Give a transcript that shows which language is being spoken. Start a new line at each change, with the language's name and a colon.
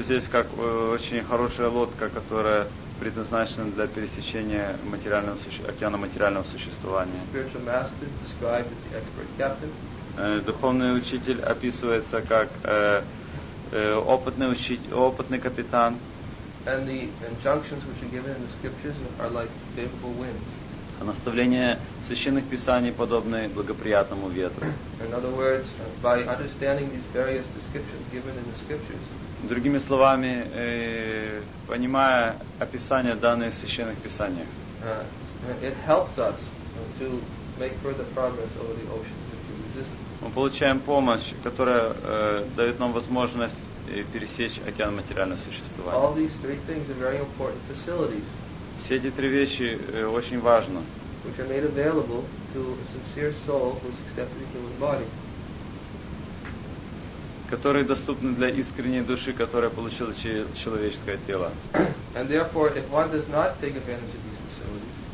Russian: здесь как очень хорошая лодка, которая предназначены для пересечения материального океана материального существования.
English: Spiritual master described as the expert captain.
Russian: Духовный учитель описывается как опытный капитан.
English: And the injunctions which are given in the scriptures are like favorable winds.
Russian: А наставления священных писаний подобны благоприятному ветру.
English: In other words, by understanding these various descriptions given in the scriptures.
Russian: Другими словами, понимая описания, данные в священных писаниях.
English: It helps us to make further progress over the ocean if you resist.
Russian: Мы получаем помощь, которая дает нам возможность пересечь океан материального существования.
English: All these three things are very important facilities.
Russian: Все эти три вещи очень важны.
English: Which are made available to a sincere soul who's accepted the human body.
Russian: Которые доступны для искренней души, которая получила человеческое тело.
English: And therefore, if one does not take advantage of these facilities.